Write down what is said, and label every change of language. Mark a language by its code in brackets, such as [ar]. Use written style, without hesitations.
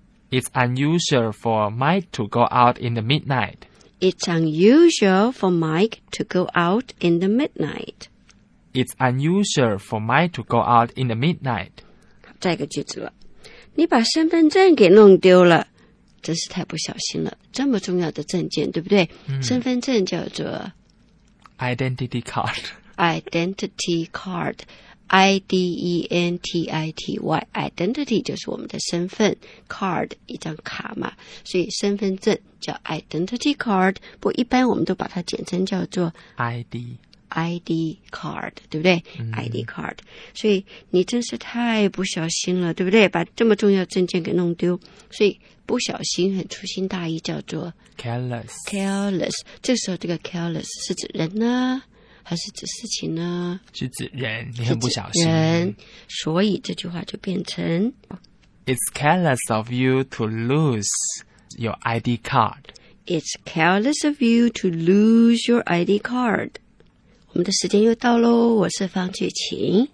[en] It's unusual for Mike to go out in the midnight. It's unusual for Mike to go out in the midnight. It's unusual for Mike to go out in the midnight. [zh] 再一个句子了，你把身份证给弄丢了，真是太不小心了。这么重要的证件，对不对？身份证叫做 [en] identity card. Identity card. I-D-E-N-T-I-T-Y Identity [zh] 就是我们的身份， Card 一张卡嘛，所以身份证叫 Identity Card， 不过一般我们都把它简称叫做 [en] ID [zh] Card 对不对、ID Card。所以你真是太不小心了，对不对？把这么重要证件给弄丢，所以不小心很粗心大意叫做 [en] Careless [zh] 这时候这个 Careless 是指人呢还是指事情呢？是指人，你很不小心。人，所以这句话就变成 [en] It's careless of you to lose your ID card. It's careless of you to lose your ID card. [zh] 我们的时间又到咯，我是方俊晴，